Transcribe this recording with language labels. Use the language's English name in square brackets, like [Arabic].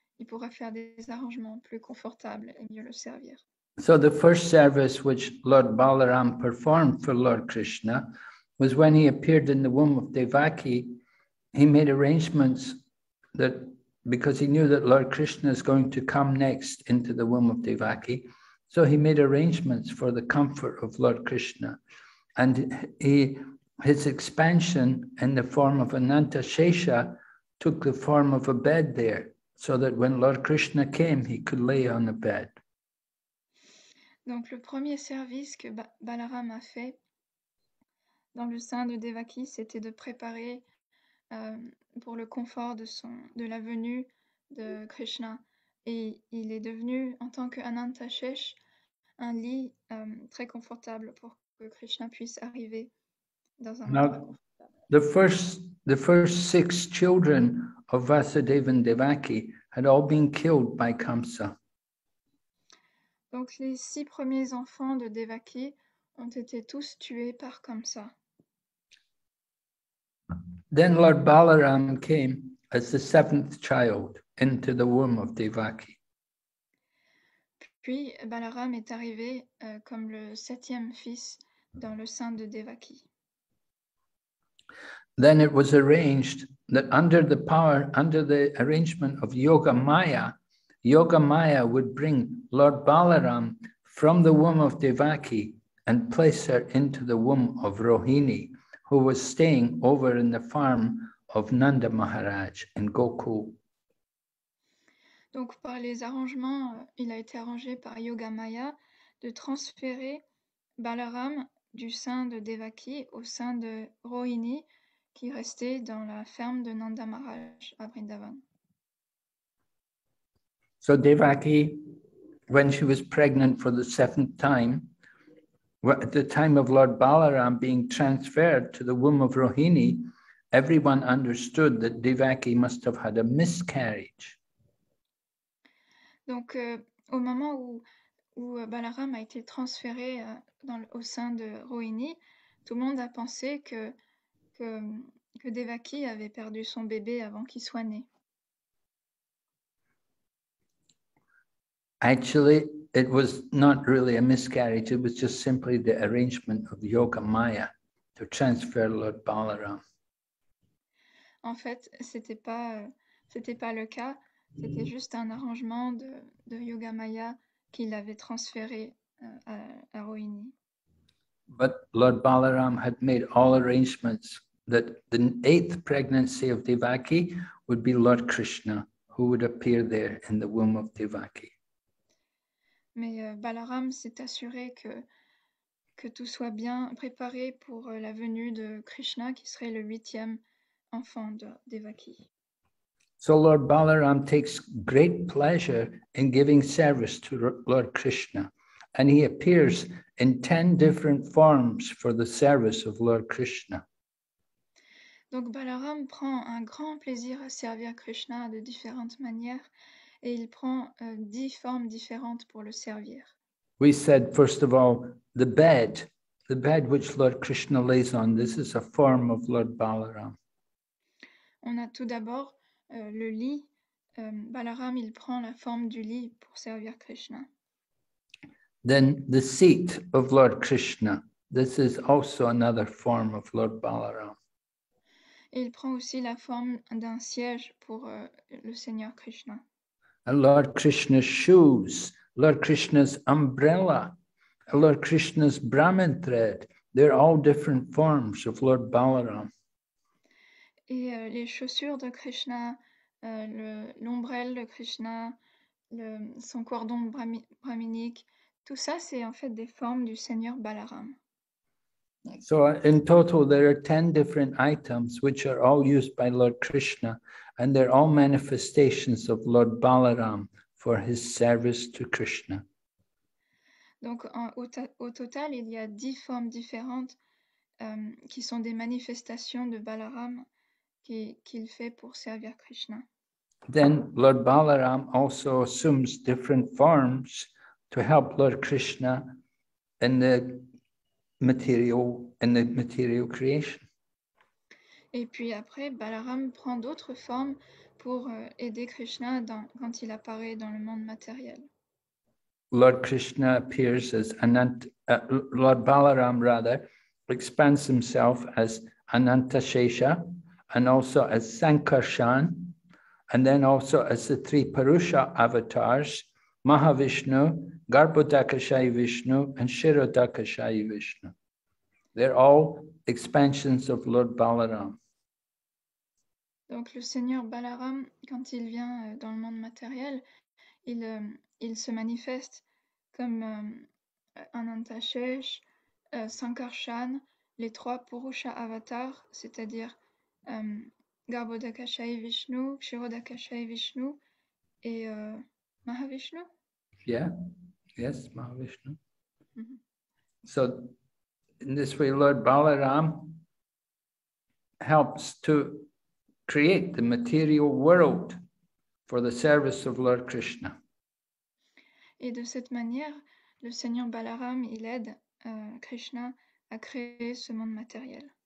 [French] Il pourrait faire des arrangements plus confortables et mieux le servir. [English] So the first service which Lord Balaram performed for Lord Krishna was when he appeared in the womb of Devaki. He made arrangements that because he knew that Lord Krishna is going to come next into the womb of Devaki, so he made arrangements for the comfort of Lord Krishna. And his expansion in the form of Ananta Shesha took the form of a bed there, so that when Lord Krishna came, he could lay on the bed. [French] Donc le premier service que Balaram a fait dans le sein de Devaki, c'était de préparer pour le confort de la venue de Krishna. Et il est devenu, en tant qu'Anantashesh, un lit très confortable pour que Krishna puisse arriver dans un endroit confortable. [English] The first six children of Vasudeva and Devaki had all been killed by Kamsa. [French] Donc les six premiers enfants de Devaki ont été tous tués par Kamsa. [English] Then Lord Balaram came as the seventh child into the womb of Devaki. [French] Puis Balaram est arrivé comme le septième fils dans le sein de Devaki. [English] Then it was arranged that under the arrangement of Yoga Maya, Yoga Maya would bring Lord Balaram from the womb of Devaki and place her into the womb of Rohini, who was staying over in the farm of Nanda Maharaj in Gokul. [French] Donc par les arrangements, il a été arrangé par Yoga Maya de transférer Balaram du sein de Devaki au sein de Rohini, qui restait dans la ferme de Nanda Maharaj à Vrindavan. [English] So Devaki, when she was pregnant for the seventh time, at the time of Lord Balaram being transferred to the womb of Rohini, everyone understood that Devaki must have had a miscarriage. [French] Donc, au moment où Balaram a été transféré au sein de Rohini, tout le monde a pensé que Devaki avait perdu son bébé avant qu'il soit né. [English] Actually, it was not really a miscarriage, it was just simply the arrangement of Yoga Maya to transfer Lord Balaram. [French] En fait, c'était pas le cas, c'était juste un arrangement de Yoga Maya qu'il avait transféré à Rohini. [English] But Lord Balaram had made all arrangements that the eighth pregnancy of Devaki would be Lord Krishna, who would appear there in the womb of Devaki. [French] Mais Balaram s'est assuré que tout soit bien préparé pour la venue de Krishna, qui serait le huitième enfant de Devaki. [English] So Lord Balaram takes great pleasure in giving service to Lord Krishna, and he appears in 10 different forms for the service of Lord Krishna. [French] Donc Balaram prend un grand plaisir à servir Krishna de différentes manières et il prend 10 formes différentes pour le servir. [English] We said first of all the bed which Lord Krishna lays on, this is a form of Lord Balaram. [French] On a tout d'abord le lit. Balaram, il prend la forme du lit pour servir Krishna. [English] Then the seat of Lord Krishna, this is also another form of Lord Balaram. [French] Et il prend aussi la forme d'un siège pour le Seigneur Krishna. [English] And Lord Krishna's shoes, Lord Krishna's umbrella, Lord Krishna's Brahmin thread, they're all different forms of Lord Balaram. [French] Et les chaussures de Krishna, l'ombrelle de Krishna, son cordon brahminique, tout ça, c'est en fait des formes du Seigneur Balaram. [English] So in total, there are 10 different items which are all used by Lord Krishna, and they're all manifestations of Lord Balaram for his service to Krishna. [French] Donc au total, il y a 10 formes différentes qui sont des manifestations de Balaram qu'il fait pour servir Krishna. [English] Then Lord Balaram also assumes different forms to help Lord Krishna in the material creation. [French] Et puis après, Balaram prend d'autres formes pour aider Krishna quand il apparaît dans le monde matériel. [English] Lord Krishna appears as Lord Balaram rather expands himself as Anantashesha and also as Sankarshan and then also as the three Purusha avatars, Mahavishnu, Garbhodakashayi Vishnu and Shirodakashayi Vishnu. They're all expansions of Lord Balaram. [French] Donc le Seigneur Balaram, quand il vient dans le monde matériel, il se manifeste comme Anantashesh, Sankarshan, les trois Purusha avatars, c'est-à-dire Garbhodakashayi Vishnu, Kshirodakashayi Vishnu et Mahavishnu. [English] Yeah, yes, Mahavishnu. Mm-hmm. So in this way, Lord Balaram helps to create the material world for the service of Lord Krishna. [French] Et de cette manière, le Seigneur Balaram, il aide Krishna à créer ce monde matériel.